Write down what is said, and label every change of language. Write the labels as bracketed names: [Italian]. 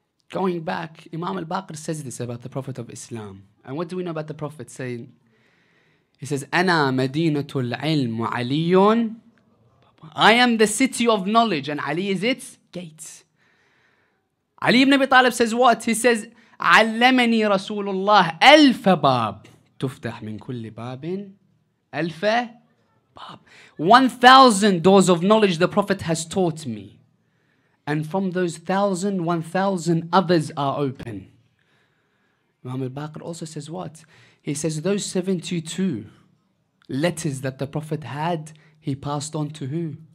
[English] Going back, Imam Al-Baqir says this about the Prophet of Islam. And what do we know about the Prophet saying? He says, [Arabic] أَنَا مَدِينَةُ الْعِلْمُ وَعَلِيٌّ. [English] I am the city of knowledge, and Ali is its gate. Ali ibn Abi Talib says what? He says, [Arabic] عَلَّمَنِي رَسُولُ اللَّهِ أَلْفَ بَابٍ تُفْتَحْ مِنْ كُلِّ بَابٍ أَلْفَ بَابٍ. [English] 1,000 doors of knowledge the Prophet has taught me. And from those 1,000 others are open. Imam al-Baqir also says what? He says, those 72 letters that the Prophet had, he passed on to who?